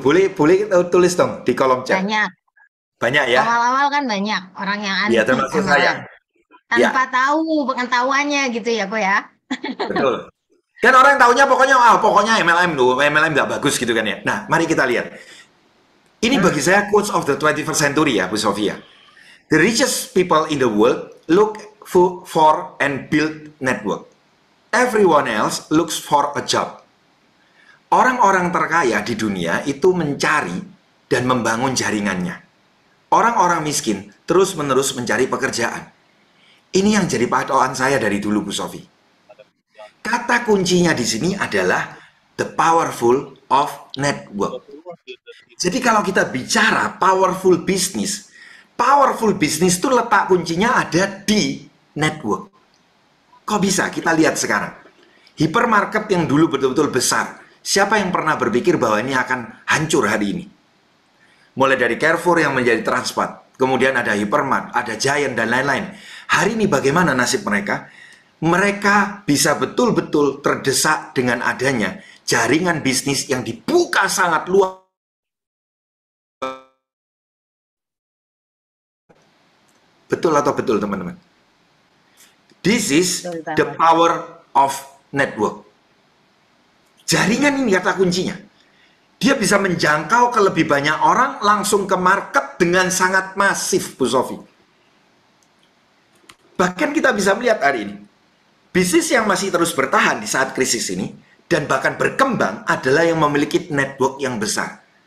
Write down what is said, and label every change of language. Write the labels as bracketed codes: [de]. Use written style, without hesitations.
[id] Boleh boleh tulis dong di kolom chat. Banyak. Banyak ya. Awal-awal kan banyak orang yang anti. Ya termasuk saya. Tanpa ya. Tahu pengetahuannya gitu ya kok ya. Betul. Kan orang yang tahunya pokoknya pokoknya MLM tuh MLM nggak bagus gitu kan ya. Nah mari kita lihat. Ini bagi saya [en] quotes of the 21st century [id] ya Bu Sofia. [en] The richest people in the world look for and build network. Everyone else looks for a job. [id] Orang-orang terkaya di dunia itu mencari dan membangun jaringannya. Orang-orang miskin terus-menerus mencari pekerjaan. Ini yang jadi patokan saya dari dulu, Bu Sofi. Kata kuncinya di sini adalah [en] the powerful of network. [id] Jadi kalau kita bicara powerful business, powerful business itu letak kuncinya ada di network. Kok bisa? Kita lihat sekarang. Hypermarket yang dulu betul-betul besar. Siapa yang pernah berpikir bahwa ini akan hancur hari ini? Mulai dari Carrefour yang menjadi Transpart, kemudian ada Hypermart, ada Giant, dan lain-lain. Hari ini bagaimana nasib mereka? Mereka bisa betul-betul terdesak dengan adanya jaringan bisnis yang dibuka sangat luas. Betul atau betul, teman-teman? [en] This is the power of network. [id] Jaringan ini kata kuncinya. Dia bisa menjangkau ke lebih banyak orang langsung ke market dengan sangat masif, Bu Sofi. Bahkan kita bisa melihat hari ini, bisnis yang masih terus bertahan di saat krisis ini dan bahkan berkembang adalah yang memiliki network yang besar.